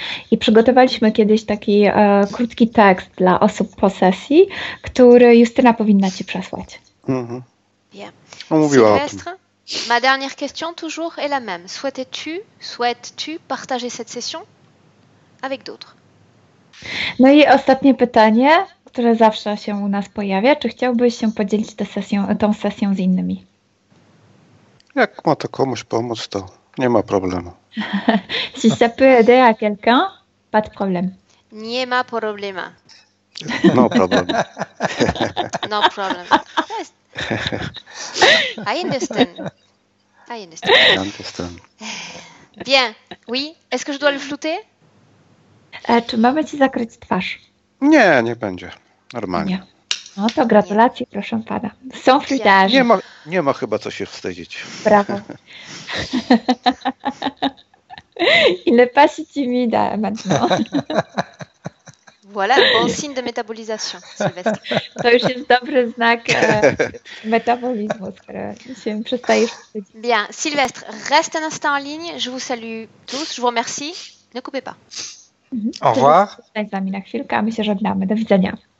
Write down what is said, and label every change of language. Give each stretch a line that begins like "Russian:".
Polish: I przygotowaliśmy kiedyś taki krótki tekst dla osób po sesji, który Justyna powinna ci przesłać.
French: Mm-hmm. Bien. Sylwestre, ma dernière question toujours est la même. Souhaites-tu partager cette session avec d'autres?
Polish: No i ostatnie pytanie, które zawsze się u nas pojawia. Czy chciałbyś się podzielić tą sesją z innymi? Jak ma to komuś pomóc, to nie ma problemu.
French: Si ça peut aider à quelqu'un, pas de problème.
Polish: Nie ma problema.
English: No problem. No problem. Yes. I understand.
French: Bien. Oui. Est-ce que je dois le flouter?
Polish: Czy mamy ci zakryć twarz? Nie, nie będzie. Normalnie. Nie. No to gratulacje, nie. Proszę pana. Są flutarze. Nie ma chyba co się wstydzić. Brawo.
French: Il n'est pas si timide maintenant. Voilà, bon signe de métabolisation, Sylvestre.
Polish: To już jest dobry znak métabolizmu, skoro się przestajesz.
French: Bien, Sylvestre, reste un instant en ligne. Je vous salue tous, je vous remercie. Ne coupez pas. Au revoir.
Polish: Zostań z nami na chwilkę, a my się żegnamy. Do widzenia.